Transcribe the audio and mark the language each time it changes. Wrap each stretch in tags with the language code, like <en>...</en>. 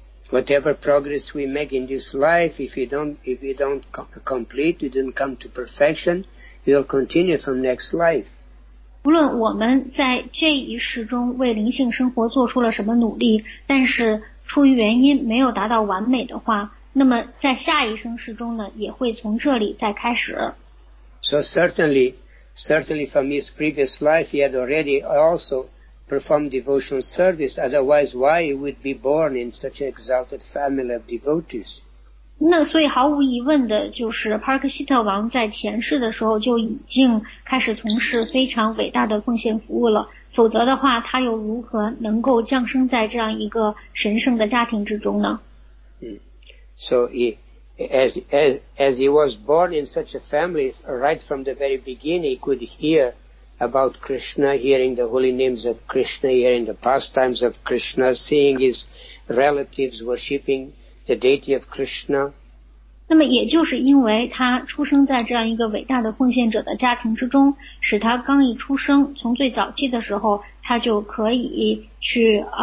<en>Whatever progress we make in this life, if we don't complete, we don't come to perfection, we'll continue from next life.</en> <zh>无论我们在这一世中为灵性生活做出了什么努力，但是出于原因没有达到完美的话，那么在下一生世中呢，也会从这里再开始。</zh> <en>So certainly from his previous life, he had already also performed devotional service. Otherwise, why he would be born in such an exalted family of devotees?</en> <zh>那所以毫无疑问的就是 Parikshit 王在前世的时候就已经开始从事非常伟大的奉献服务了。否则的话，他又如何能够降生在这样一个神圣的家庭之中呢？</zh> <en>So as he was born in such a family, right from the very beginning, he could hear about Krishna, hearing the holy names of Krishna, hearing the pastimes of Krishna, seeing his relatives worshipping the deity of Krishna.</en> <zh>那么也就是因为他出生在这样一个伟大的奉献者的家庭之中，使他刚一出生，从最早期的时候，他就可以去</zh>